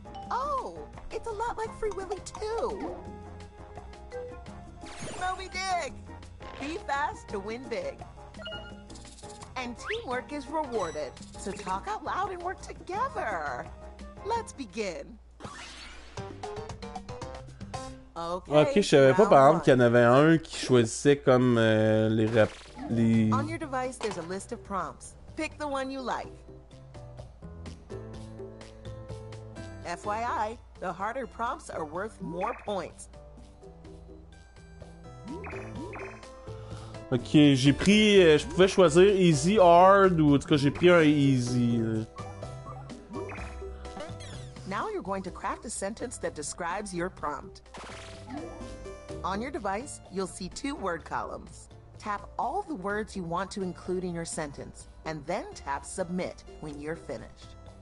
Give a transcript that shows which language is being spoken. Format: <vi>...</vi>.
<en>Oh, it's a lot like Free Willy 2. Moby Dick! Be fast to win big. And teamwork is rewarded, so talk out loud and work together. Let's begin. Ok,</en> <fr>je savais pas par exemple qu'il y en avait un qui choisissait comme les rap.</fr> <en>On your device, there's a list of prompts. Pick the one you like. FYI, the harder prompts are worth more points.</en> <fr>Ok, j'ai pris. Je pouvais choisir easy, hard, ou en tout cas, j'ai pris un easy.</fr> <en>Now you're going to craft a sentence that describes your prompt. On your device, you'll see two word columns. Tap all the words you want to include in your sentence, and then tap submit when you're finished.</en>